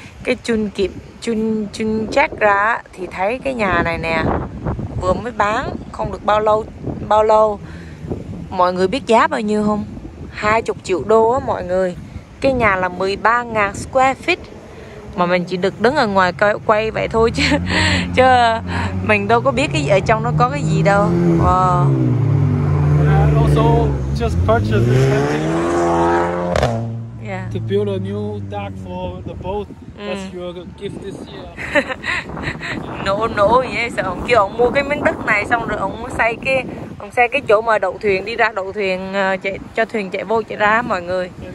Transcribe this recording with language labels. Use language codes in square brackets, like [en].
[vi] Cái Jun check ra thì thấy cái nhà này nè vừa mới bán không được bao lâu. Mọi người biết giá bao nhiêu không? 20 triệu đô á mọi người. Cái nhà là 13.000 square feet. Mà mình chỉ được đứng ở ngoài coi quay vậy thôi chứ chứ mình đâu có biết cái gì ở trong nó có cái gì đâu. [en] Wow. And also just purchased this empty to build a new dock for the boat. That's your gift this year. [vi] Nổ vậy sao? Ông kêu ông mua cái miếng đất này xong rồi ông xây cái chỗ mà đậu thuyền đi ra đậu thuyền chạy cho thuyền chạy vô chạy ra mọi người.